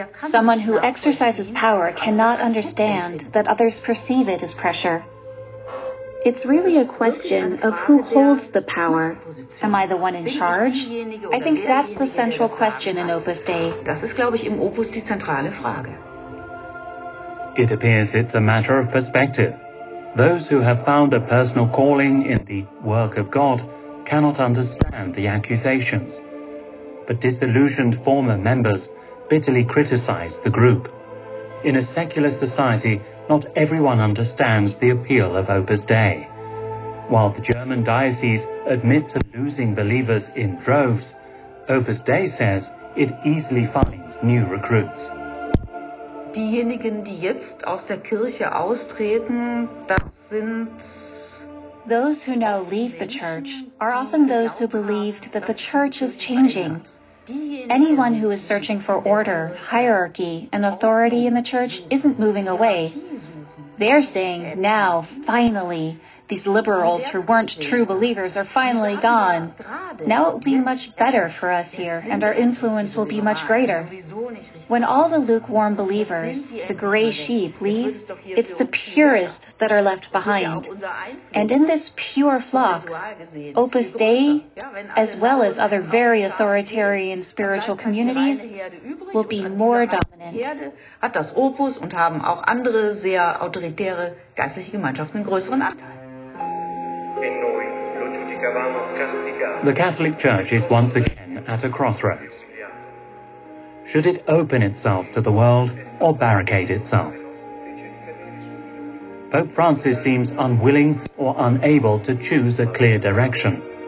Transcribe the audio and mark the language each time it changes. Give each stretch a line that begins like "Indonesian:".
English: Someone who exercises power cannot understand that others perceive it as pressure. It's really a question of who holds the power. Am I the one in charge? I think that's the central question in Opus Dei.
German: Das ist, glaube ich, im Opus die zentrale Frage.
English: It appears it's a matter of perspective. Those who have found a personal calling in the work of God cannot understand the accusations. But disillusioned former members bitterly criticize the group. In a secular society, not everyone understands the appeal of Opus Dei. While the German diocese admit to losing believers in droves, Opus Dei says it easily finds new recruits.
German: Diejenigen, die jetzt aus der Kirche austreten, das sind...
English: Those who now leave the church are often those who believed that the church is changing. Anyone who is searching for order, hierarchy, and authority in the church isn't moving away. They are saying, now, finally, these liberals who weren't true believers are finally gone. Now it will be much better for us here, and our influence will be much greater. When all the lukewarm believers, the gray sheep, leave, it's the purest that are left behind. And in this pure flock, Opus Dei, as well as other very authoritarian spiritual communities, will be more dominant.
German: Hat das Opus und haben auch andere sehr autoritäre geistliche Gemeinschaften einen größeren Anteil.
English: The Catholic Church is once again at a crossroads. Should it open itself to the world or barricade itself? Pope Francis seems unwilling or unable to choose a clear direction.